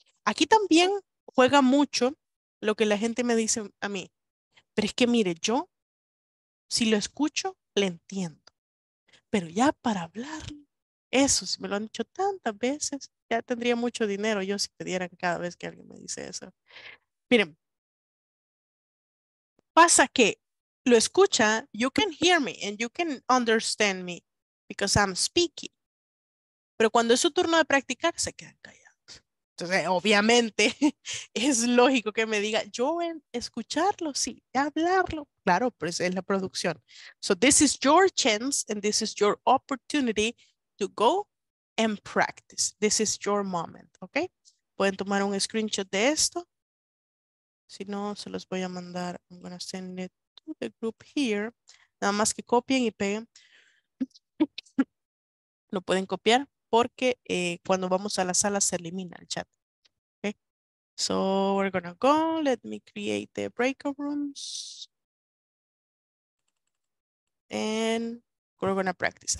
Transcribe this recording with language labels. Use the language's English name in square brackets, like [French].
[Spanish] Aquí también juega mucho lo que la gente me dice a mí, pero es que mire, yo, si lo escucho, le entiendo. Pero ya para hablar, eso, si me lo han dicho tantas veces, Ya tendría mucho dinero yo si pidiera cada vez que alguien me dice eso. Miren, pasa que lo escucha, [English] you can hear me and you can understand me because I'm speaking. [Spanish] Pero cuando es su turno de practicar, se quedan callados. Entonces, obviamente, es lógico que me diga, yo en escucharlo, sí, hablarlo. Claro, pues es la producción. [English] So this is your chance and this is your opportunity to go and practice. This is your moment, [Spanish] ¿ok? Pueden tomar un screenshot de esto. Si no, se los voy a mandar. I'm going to send it to the group here. Nada más que copien y peguen. Lo pueden copiar porque cuando vamos a la sala se elimina el chat. [English] Okay. So we're going to go. Let me create the breakout rooms. And we're going to practice.